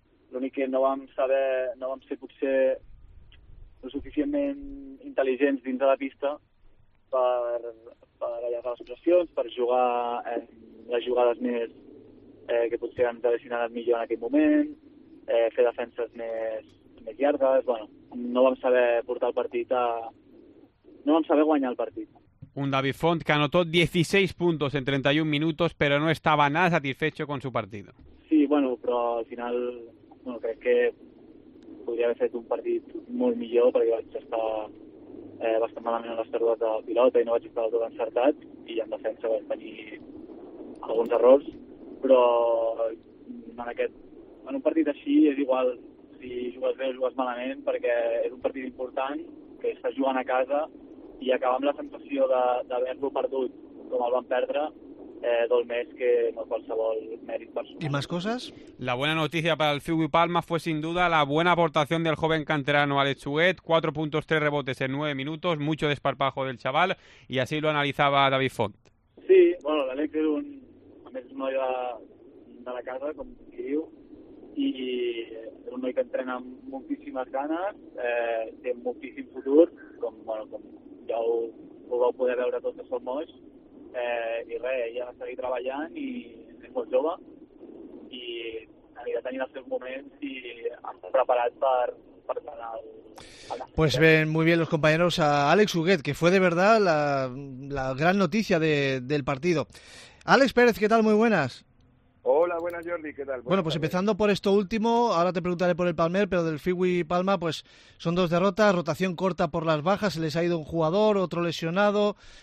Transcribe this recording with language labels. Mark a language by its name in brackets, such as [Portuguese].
[Catalan] L'únic que no vam ser potser lo suficientment intel·ligents dins de la pista per allargar les pressions, per jugar les jugades més... que potser ens haguessin anat millor en aquell moment, fer defenses més llargues... Bueno, no vam saber portar el partit a... No vam saber guanyar el partit. [Spanish] Un David Font que anotó 16 puntos en 31 minutos, però no estava nada satisfecho con su partido. [Catalan] Sí, bueno, però al final crec que podria haver fet un partit molt millor, perquè vaig estar bastant malament en les pèrdues de pilota i no vaig estar tot encertat, i en defensa vaig tenir alguns errors. Però en un partit així és igual si jugues bé o jugues malament, perquè és un partit important, que estàs jugant a casa, i acabar amb la sensació d'haver-lo perdut com el van perdre dol més que no qualsevol mèrit personal. [Spanish] ¿Y más cosas? La buena noticia para el Ciudad de Palma fue sin duda la buena aportación del joven canterano Alex Huguet, 4 puntos, 3 rebotes en 9 minutos, mucho desparpajo del chaval, y así lo analizaba David Font. [Catalan] Sí, bueno, l'Alex era un... A més, és un noi de la casa, com diu, i és un noi que entrena amb moltíssimes ganes, té moltíssim futur, com ja ho vau poder veure tots els moix, i res, ja va seguir treballant i és molt jove, i anirà tenint els seus moments i està preparat per anar al... [Spanish] Pues ven muy bien los compañeros a Alex Huguet, que fue de verdad la gran noticia del partido. Alex Pérez, ¿qué tal? Muy buenas. Hola, buenas, Jordi, ¿qué tal? Bueno, pues empezando por esto último, ahora te preguntaré por el Palmer, pero del Fiwi Palma, pues son dos derrotas, rotación corta por las bajas, se les ha ido un jugador, otro lesionado.